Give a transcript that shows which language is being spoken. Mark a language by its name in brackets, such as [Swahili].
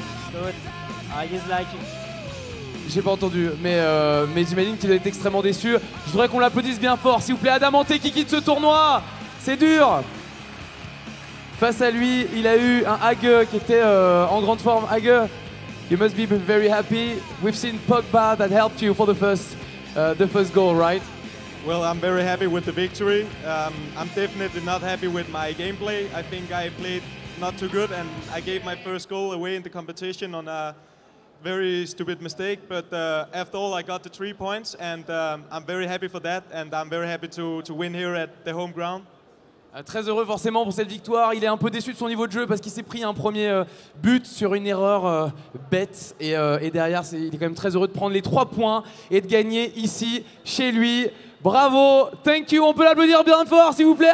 [French] So it, I is like. J'ai pas entendu, mais j'imagine qu'il doit être extrêmement déçu. Je voudrais qu'on l'applaudisse bien fort, s'il vous plaît, Adamante qui quitte ce tournoi. C'est dur. Face à lui, il a eu un Agueux qui était en grande forme. [English] Agueux. You must be very happy. We've seen Pogba that helped you for the first goal, right? Well, I'm very happy with the victory. I'm definitely not happy with my gameplay. I think I played not too good and I gave my first goal away in the competition on a very stupid mistake. But after all, I got the 3 points and I'm very happy for that. And I'm very happy to win here at the home ground. [French] Très heureux forcément pour cette victoire. Il est un peu déçu de son niveau de jeu parce qu'il s'est pris un premier but sur une erreur bête. Et derrière, il est quand même très heureux de prendre les 3 points et de gagner ici, chez lui. Bravo, [English] thank you. [French] On peut l'applaudir bien fort, s'il vous plaît.